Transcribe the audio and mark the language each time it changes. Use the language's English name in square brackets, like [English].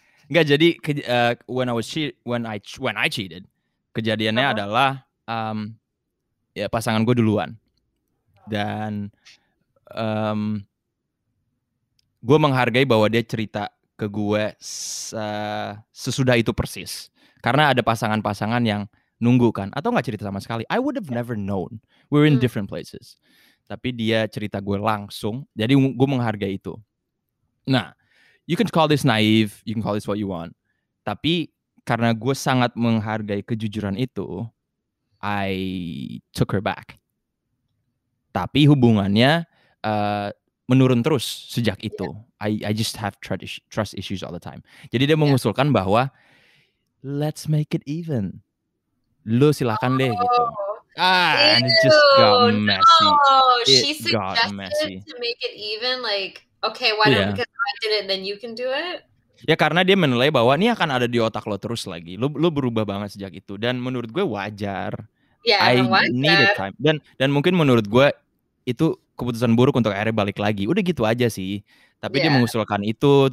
[Indonesian] Enggak, jadi [English] when I cheated, [Indonesian] kejadiannya adalah ya pasangan gue duluan dan gue menghargai bahwa dia cerita ke gue sesudah itu persis karena ada pasangan-pasangan yang nunggu kan atau nggak cerita sama sekali. [English] I would have never known, we're in different places, [Indonesian] tapi dia cerita gue langsung, jadi gue menghargai itu. [English] Nah, you can call this naive, you can call this what you want, [Indonesian] tapi karena gue sangat menghargai kejujuran itu, [English] I took her back. [Indonesian] Tapi hubungannya menurun terus sejak itu. [English] I just have trust issues all the time. [Indonesian] Jadi dia mengusulkan bahwa, [English] let's make it even. [Indonesian] Lu silakan deh gitu. Ah, ew, [English] and it just got messy. No. She suggested to make it even, like, okay, why don't we get it and then you can do it? [Indonesian] Ya karena dia menilai bahwa ini akan ada di otak lo terus lagi. Lo berubah banget sejak itu. Dan menurut gue wajar. [English] Yeah, I need a time. [Indonesian] Dan mungkin menurut gue itu keputusan buruk untuk akhirnya balik lagi. Udah gitu aja sih. Tapi dia mengusulkan itu.